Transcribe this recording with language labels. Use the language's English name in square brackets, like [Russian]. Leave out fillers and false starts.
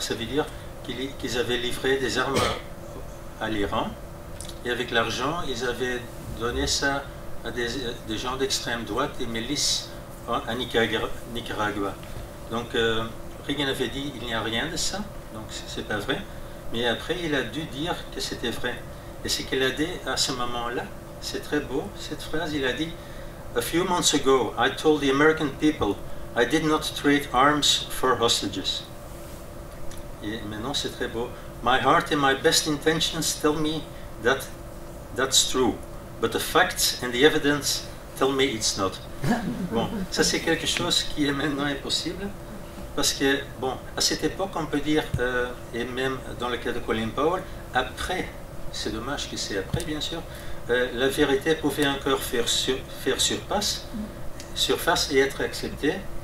[French] Ça veut dire qu'ils avaient livré des armes à l'Iran et avec l'argent, ils avaient donné ça à des gens d'extrême droite et milices à Nicaragua. Donc Reagan avait dit il n'y a rien de ça, donc c'est pas vrai. Mais après il a dû dire que c'était vrai. Et ce qu'il a dit à ce moment-là, c'est très beau cette phrase. Il a dit [English] A few months ago, I told the American people I did not trade arms for hostages. [French] Et maintenant c'est très beau. [English] My heart and my best intentions tell me that's true, but the facts and the evidence tell me it's not. [French] Bon, ça c'est quelque chose qui est maintenant impossible parce que, bon, à cette époque, on peut dire, et même dans le cas de Colin Powell, après, c'est dommage que c'est après, bien sûr, la vérité pouvait encore faire surface et être acceptée.